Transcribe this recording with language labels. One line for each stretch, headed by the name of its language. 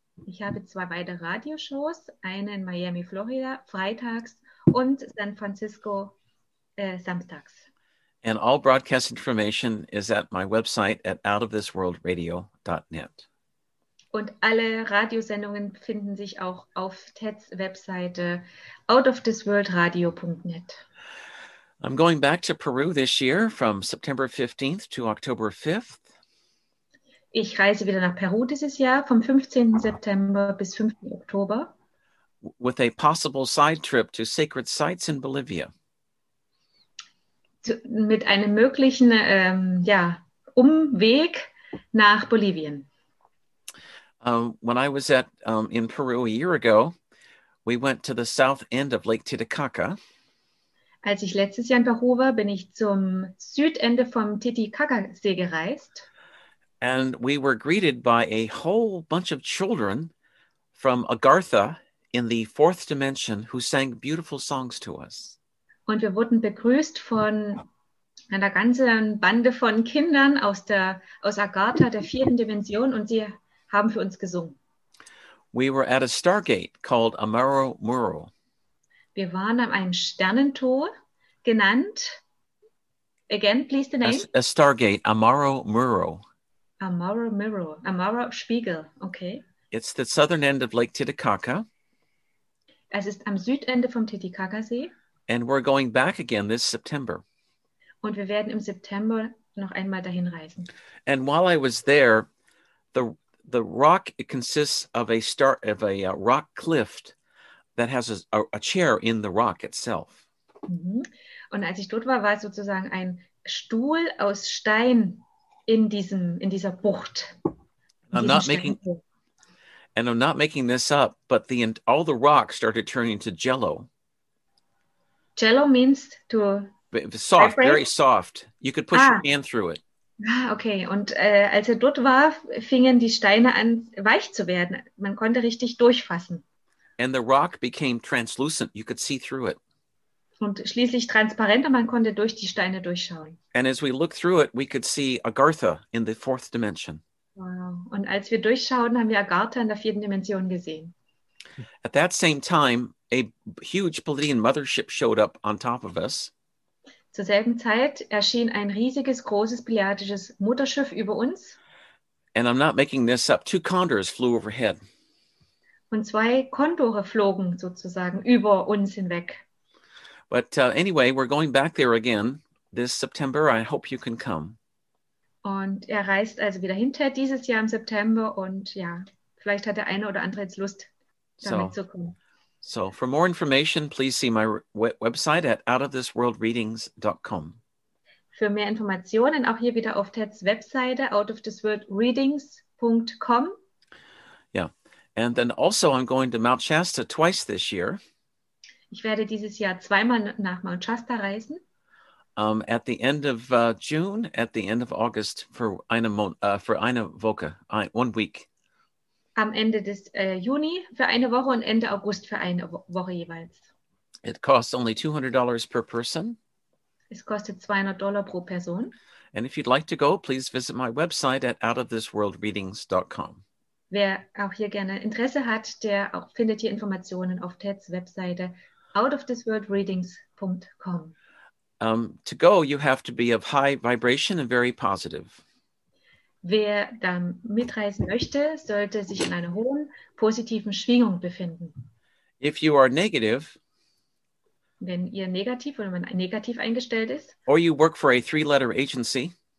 German: Ich habe 2 weitere Radioshows, eine in Miami, Florida, freitags und San Francisco samstags.
English: And all broadcast information is at my website at outofthisworldradio.net.
German: Und alle Radiosendungen finden sich auch auf Ted's Webseite outofthisworldradio.net.
English: I'm going back to Peru this year from September 15th to October 5th.
German: Ich reise wieder nach Peru dieses Jahr vom 15. September bis 5. Oktober.
English: With a possible side trip to sacred sites in Bolivia.
German: Mit einem möglichen Umweg nach Bolivien.
English: When I was at in Peru a year ago, we went to the south end of Lake Titicaca.
German: Als ich letztes Jahr in Peru war, bin ich zum Südende vom Titicaca-See gereist.
English: And we were greeted by a whole bunch of children from Agartha in the fourth dimension who sang beautiful songs to us.
German: Und wir wurden begrüßt von einer ganzen Bande von Kindern aus Agartha, der vierten Dimension, und sie haben für uns gesungen.
English: We were at a Stargate called Amaro Muro.
German: Wir waren an einem Sternentor genannt.
English: Again, please the name. A Stargate, Amaro Muro.
German: Amaro Muro, Amaro Spiegel, okay.
English: It's the southern end of Lake Titicaca.
German: Es ist am Südende vom Titicaca-See.
English: And we're going back again this September.
German: Und wir werden im September noch einmal dahin reisen.
English: And while I was there, the rock, it consists of a rock cliff that has a chair in the rock itself.
German: Und als ich dort war, war sozusagen ein Stuhl aus Stein in dieser Bucht.
English: I'm not making this up, but all the rocks started turning to jello. Jello means to soft, very soft. You could push your hand through it.
German: Okay, und als er dort war, fingen die Steine an, weich zu werden. Man konnte richtig durchfassen.
English: And the rock became translucent. You could see through it.
German: Und schließlich transparent, und man konnte durch die Steine durchschauen.
English: And as we looked through it, we could see Agartha in the fourth dimension. Wow.
German: Und als wir durchschauten, haben wir Agartha in der vierten Dimension gesehen.
English: At that same time, a huge Pleiadian mothership showed up on top of us.
German: Zur selben Zeit erschien ein riesiges, großes pleiadisches Mutterschiff über uns.
English: And I'm not making this up. Two condors flew overhead.
German: Und zwei Kondore flogen sozusagen über uns hinweg.
English: But anyway, we're going back there again this September. I hope you can come.
German: Und er reist also wieder hinterher dieses Jahr im September. Und ja, vielleicht hat der eine oder andere jetzt Lust, damit zu kommen.
English: So, for more information, please see my website at outofthisworldreadings.com.
German: Für mehr Informationen, auch hier wieder auf Teds Webseite, outofthisworldreadings.com.
English: Yeah, and then also I'm going to Mount Shasta twice this year.
German: Ich werde dieses Jahr zweimal nach Mount Shasta reisen.
English: At the end of June, at the end of August, one week.
German: Am Ende des Juni für eine Woche und Ende August für eine Woche jeweils.
English: It costs only $200 per person.
German: Es kostet $200 pro Person.
English: And if you'd like to go, please visit my website at outofthisworldreadings.com.
German: Wer auch hier gerne Interesse hat, der auch findet hier Informationen auf Teds Webseite outofthisworldreadings.com.
English: To go, you have to be of high vibration and very positive.
German: Wer dann mitreisen möchte, sollte sich in einer hohen, positiven Schwingung befinden.
English: If you are negative,
German: wenn ihr negativ oder man negativ eingestellt ist,
English: or you work for a three-letter agency,